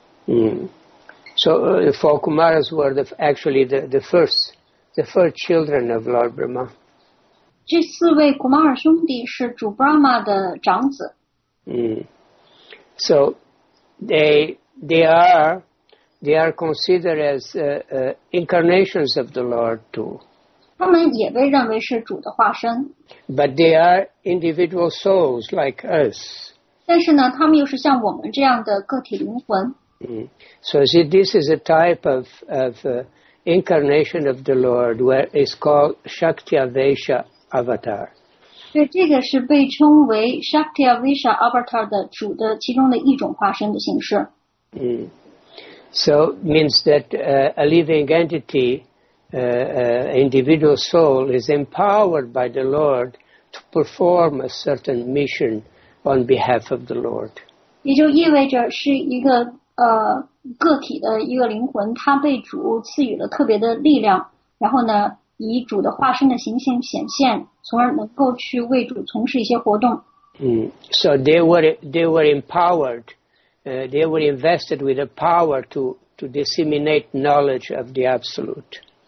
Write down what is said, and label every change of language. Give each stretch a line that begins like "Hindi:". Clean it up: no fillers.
English: So the four Kumaras were the first children of Lord Brahma.
Chinese: 这四位 Kumara 兄弟是主 Brahma 的长子。
English: So they are considered as incarnations of the Lord too.
Chinese: 他们也被认为是主的化身。
English: But they are individual souls like us.
Chinese: 但是呢，他们又是像我们这样的个体灵魂。
English: So see, this is a type of incarnation of the Lord where it's called Shaktiavesha Avatar.
Chinese: 对，这个是被称为 Shaktiavesha Avatar 的主的其中的一种化身的形式。
English: So means that a living entity, individual soul, is empowered by the Lord to perform a certain mission on behalf of the Lord.
Chinese: 也就意味着是一个个体的一个灵魂，它被主赐予了特别的力量，然后呢，以主的化身的形象显现，从而能够去为主从事一些活动。
English: So they were empowered. They were invested with the power to disseminate knowledge of the absolute.